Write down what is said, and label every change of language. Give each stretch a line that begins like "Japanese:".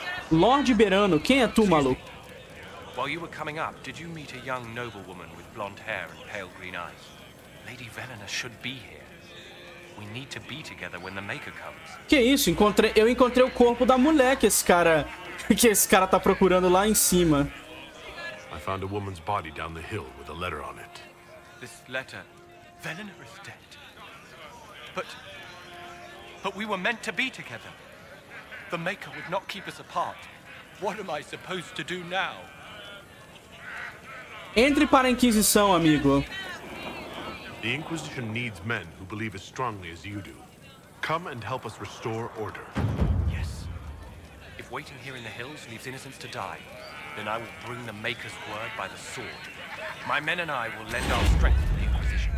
Portuguese: Lorde Berano, quem é tu, maluco?
English: While you were coming up, did you meet a young noblewoman with blonde hair and pale green eyes? Lady Velena should be here. We need to be together when the Maker comes.
Portuguese: Que isso? Eu encontrei o corpo da mulher que esse cara tá procurando lá em cima.
English: I found a woman's body down the hill with a letter on it. This letter, Velena is dead. But we were meant to be together. The Maker would not keep us apart. What am I supposed to do now?
Portuguese: Entre para a Inquisição, amigo.
English: The Inquisition needs men who believe as strongly as you do. Come and help us restore order. Yes. If waiting here in the hills leaves innocents to die, then I will bring the Maker's word by the sword. My men and I will lend our strength to the Inquisition.